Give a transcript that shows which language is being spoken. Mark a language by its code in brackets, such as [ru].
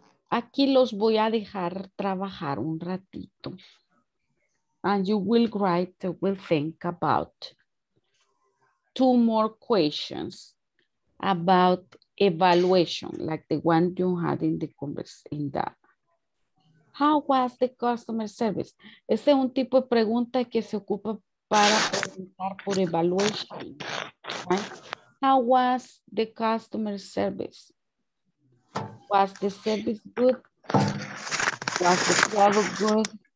[es] Aquí los voy a dejar trabajar un ratito. [en] And you will write, will think about two more questions about evaluation, like the one you had in the conversation. How was the customer service? [es] Ese es un tipo de pregunta que se ocupa para preguntar por evaluation. [en] Right? How was the customer service? Was the service good? Was the product good?